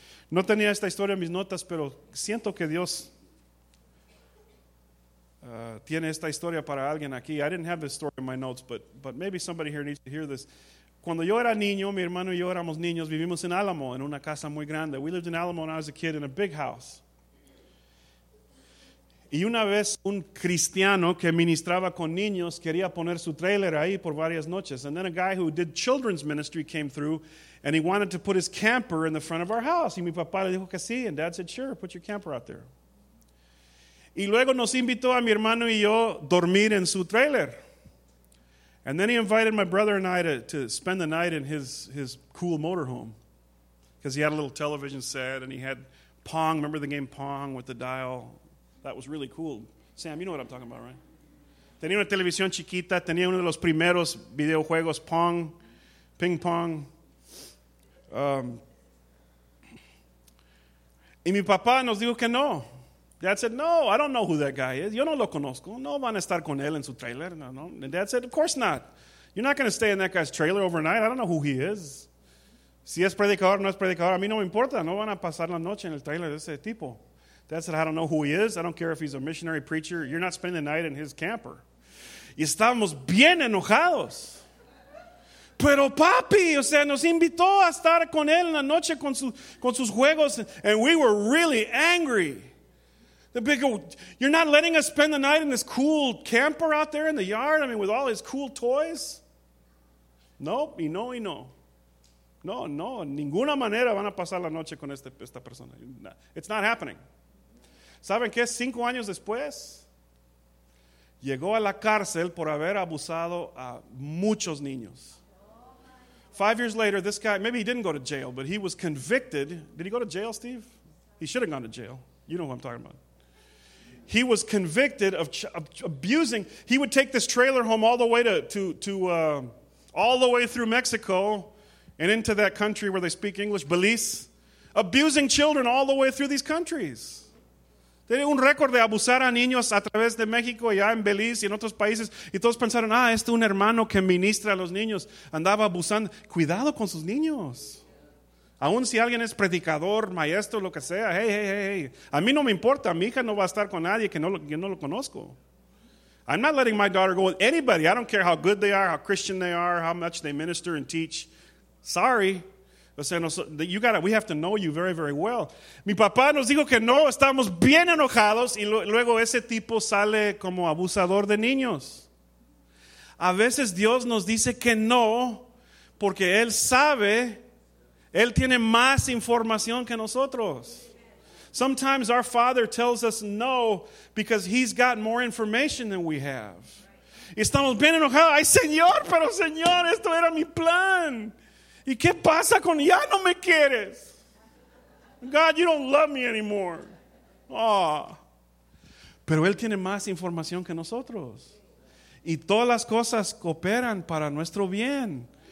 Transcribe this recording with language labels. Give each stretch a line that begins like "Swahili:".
Spanish: No tenía esta historia en mis notas, pero siento que Dios tiene esta historia para alguien aquí.
English: I didn't have this story in my notes, but maybe somebody here needs to hear this.
Spanish: Cuando yo era niño, mi hermano y yo éramos niños, vivimos en Alamo, en una casa muy grande.
English: We lived in Alamo when I was a kid in a big house.
Spanish: Y una vez un cristiano que ministraba con niños quería poner su trailer ahí por varias noches.
English: And then a guy who did children's ministry came through and he wanted to put his camper in the front of our house.
Spanish: Y mi papá le dijo que sí.
English: And dad said, sure, put your camper out there.
Spanish: Y luego nos invitó a mi hermano y yo dormir en su trailer.
English: And then he invited my brother and I to spend the night in his cool motorhome. Because he had a little television set and he had Pong. Remember the game Pong with the dial? That was really cool. Sam, you know what I'm talking about, right?
Spanish: Tenía una televisión chiquita. Tenía uno de los primeros videojuegos, Pong, Ping Pong. Y mi papá nos dijo que no.
English: Dad said, no, I don't know who that guy is.
Spanish: Yo no lo conozco. No van a estar con él en su trailer.
English: No, no. And Dad said, of course not. You're not going to stay in that guy's trailer overnight. I don't know who he is.
Spanish: Si es predicador, no es predicador. A mí no me importa. No van a pasar la noche en el trailer de ese tipo.
English: Dad said, I don't know who he is. I don't care if he's a missionary preacher. You're not spending the night in his camper.
Spanish: Y estábamos bien enojados. Pero papi, o sea, nos invitó a estar con él en la noche con sus juegos.
English: And we were really angry. You're not letting us spend the night in this cool camper out there in the yard? I mean, with all his cool toys?
Spanish: Nope, y no. No, no, ninguna manera van a pasar la noche con esta persona.
English: It's not happening.
Spanish: ¿Saben qué? 5 años después, llegó a la cárcel por haber abusado a muchos niños.
English: 5 years later, this guy, maybe he didn't go to jail, but he was convicted. Did he go to jail, Steve? He should have gone to jail. You know who I'm talking about. He was convicted of abusing. He would take this trailer home all the way to all the way through Mexico and into that country where they speak English, Belize, abusing children all the way through these countries.
Spanish: Tiene un récord de abusar a niños a través de México, allá en Belice y en otros países. Y todos pensaron, este es un hermano que ministra a los niños. Andaba abusando. Cuidado con sus niños. Aún si alguien es predicador, maestro, lo que sea. Hey. A mí no me importa. Mi hija no va a estar con nadie que no lo conozco.
English: I'm not letting my daughter go with anybody. I don't care how good they are, how Christian they are, how much they minister and teach. Sorry. We have to know you very, very well.
Spanish: Mi papá nos dijo que no, estamos bien enojados, y luego ese tipo sale como abusador de niños. A veces Dios nos dice que no, porque Él sabe, Él tiene más información que nosotros.
English: Sometimes our Father tells us no, because He's got more information than we have.
Spanish: Y estamos bien enojados, ¡ay, Señor, pero Señor, esto era mi plan! ¿Y qué pasa con ya no me quieres?
English: God, you don't love me anymore. Oh.
Spanish: Pero Él tiene más información que nosotros. Y todas las cosas cooperan para nuestro bien.